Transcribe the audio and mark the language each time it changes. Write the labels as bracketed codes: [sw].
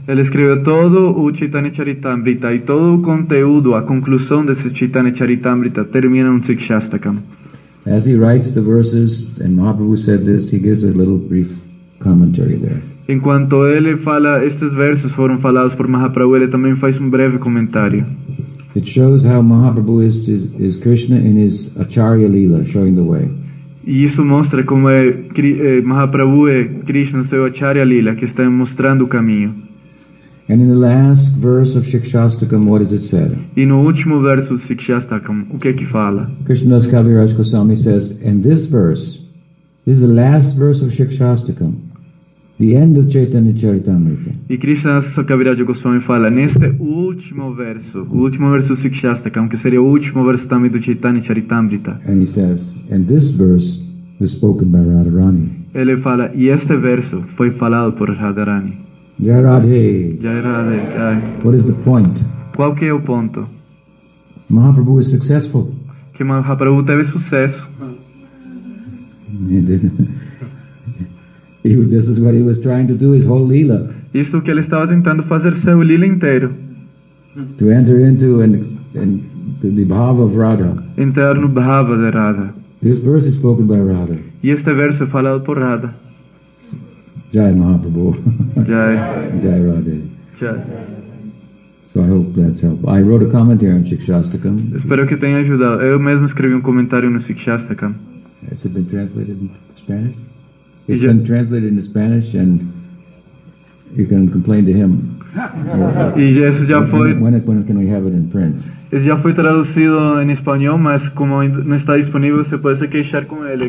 [pt] Ele escreveu todo o Chaitanya Charitamrita e todo o conteúdo, a conclusão desse Chaitanya Charitamrita termina no Shikshastakam. [en] As he writes the verses, and Mahaprabhu said this, he gives a little brief commentary there. [pt] Enquanto ele fala, estes versos foram falados por Mahaprabhu, ele também faz breve comentário. [en] It shows how Mahaprabhu is Krishna in his Acharya Lila, showing the way. [pt] E isso mostra como é Mahaprabhu é Krishna, seu Acharya Lila, que está mostrando o caminho. [en] And in the last verse of Shikshastakam, what does it say? [pt] E no último verso do Shikshastakam, o que é que fala? [en] Krishnadas Kaviraj Goswami says, and this verse, this is the last verse of Shikshastakam, the end of Chaitanya Charitamrita. [pt] E Krishnadas Kaviraj Goswami fala, neste último verso, o último verso do Shikshastakam, que seria o último verso também do Chaitanya Charitamrita. [en] And he says, and this verse was spoken by Radharani. [pt] Ele fala, e este verso foi falado por Radharani. [hi] Jai Radhe. [en] What is the point? [pt] Qual que é o ponto? [en] Mahaprabhu is successful. [pt] Que Mahaprabhu teve sucesso. [en] This is what he was trying to do, his whole lila. [pt] Isso que ele estava tentando fazer seu lila inteiro. [en] To enter into and the bhava of Radha. [pt] Entrar no bhava de Radha. [en] This verse is spoken by Radha. [pt] E este verso é falado por Radha. [hi] Jai Mahaprabhu. Jai. Jai Radhe. Jai. [en] So I hope that's helpful. I wrote a comment here on Shikshastakam. [pt] Espero que tenha ajudado. Eu mesmo escrevi comentário no Shikshastakam. [en] Has it been translated in Spanish? It's been translated in Spanish and you can complain to him. When can we have it in print? [pt] Isso já foi traduzido em espanhol, mas como não está disponível, você pode se queixar com ele.